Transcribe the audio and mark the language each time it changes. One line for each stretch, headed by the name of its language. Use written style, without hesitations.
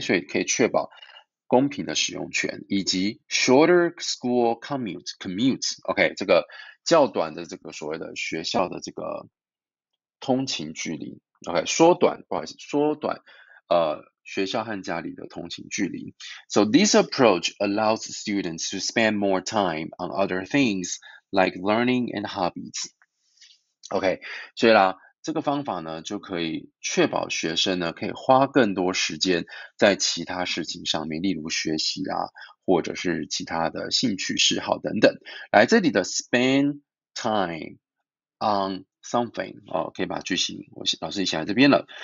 Chinese: 所以可以确保公平的使用权，以及
English: shorter school commute，
Chinese: OK？这个较短的这个所谓的学校的这个通勤距离，OK？缩短，不好意思，缩短，学校和家里的通勤距离。
English: So this approach allows students to spend more time on other things like learning and hobbies.
Chinese: OK，所以啦，这个方法呢，就可以确保学生呢可以花更多时间在其他事情上面，例如学习啊，或者是其他的兴趣嗜好等等。来，这里的
English: spend time on something
Chinese: 哦，可以把句型我老师也写在这边了。